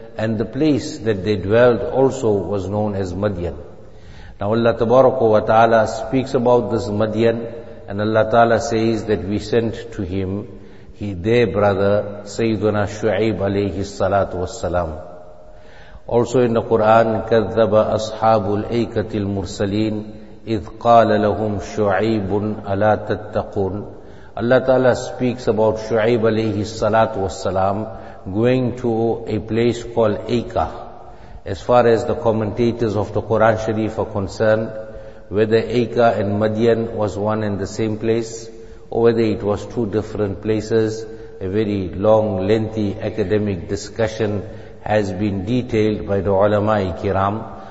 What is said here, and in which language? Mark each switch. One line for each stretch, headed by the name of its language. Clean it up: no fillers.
English: And the place that they dwelled also was known as Madian. Now Allah Tabaraka wa Ta'ala speaks about this Madian, and Allah Ta'ala says that we sent to him their brother, Sayyidina Shu'aib alayhi salatu wassalam. Also in the Quran,
Arabic: كَذَّبَ أَصْحَابُ الْأَيْكَةِ الْمُرْسَلِينَ إِذْ قَالَ لَهُمْ شُعَيْبٌ أَلَا تَتَّقُونَ.
English: Allah Ta'ala speaks about Shu'aib alayhi salatu wassalam going to a place called Aika. As far as the commentators of the Quran Sharif are concerned, whether Aika and Madian was one and the same place, or whether it was two different places, a very long, lengthy academic discussion has been detailed by the ulama-i kiram.